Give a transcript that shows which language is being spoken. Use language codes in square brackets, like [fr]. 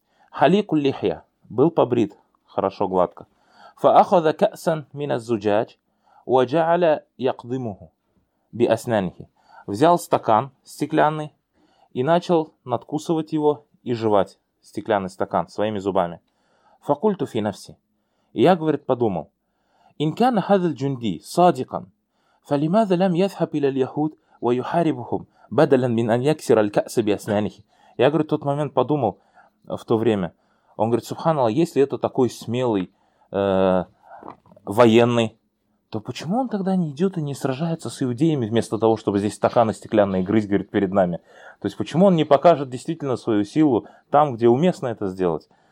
[ar] Халику лихья, [ru] был побрит, хорошо, гладко. [ar] Фа ахаза ка'сан мин аз-зуджаж, ва джа'аля яқдимуху би аснанихи. [ru] Взял стакан стеклянный и начал надкусывать его и жевать стеклянный стакан своими зубами. [ar] Факульту фи нафси. [ru] И я, говорит, подумал. [ar] إن كان هذا الجندي صادقا فلماذا لم يذهب إلى اليهود ويحاربهم بدلا من أن يكسر الكأس بأسنانه. [ru] Я, говорит, в тот момент подумал в то время. Он говорит, субханаллах, если это такой смелый военный, то почему он тогда не идет и не сражается с иудеями вместо того, чтобы здесь стаканы стеклянные грызть, говорит, перед нами? То есть почему он не покажет действительно свою силу там, где уместно это сделать?